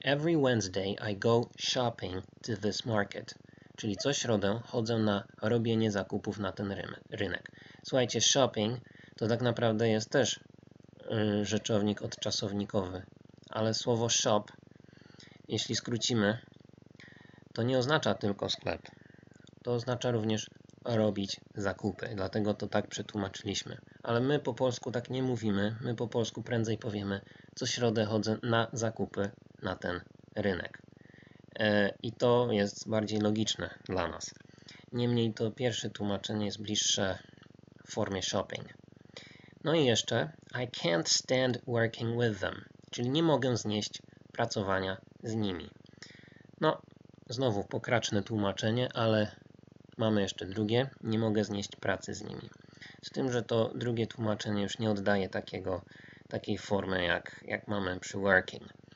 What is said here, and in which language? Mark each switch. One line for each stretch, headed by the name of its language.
English: Every Wednesday I go shopping to this market.
Polish: Czyli co środę chodzę na robienie zakupów na ten rynek. Słuchajcie, shopping to tak naprawdę jest też rzeczownik odczasownikowy, ale słowo shop, jeśli skrócimy, to nie oznacza tylko sklep. To oznacza również robić zakupy. Dlatego to tak przetłumaczyliśmy. Ale my po polsku tak nie mówimy. My po polsku prędzej powiemy, co środę chodzę na zakupy na ten rynek. I to jest bardziej logiczne dla nas. Niemniej to pierwsze tłumaczenie jest bliższe w formie shopping. No i jeszcze
English: I can't stand working with them.
Polish: Czyli nie mogę znieść pracowania z nimi. No, znowu pokraczne tłumaczenie, ale mamy jeszcze drugie, nie mogę znieść pracy z nimi. Z tym, że to drugie tłumaczenie już nie oddaje takiej formy, jak mamy przy working.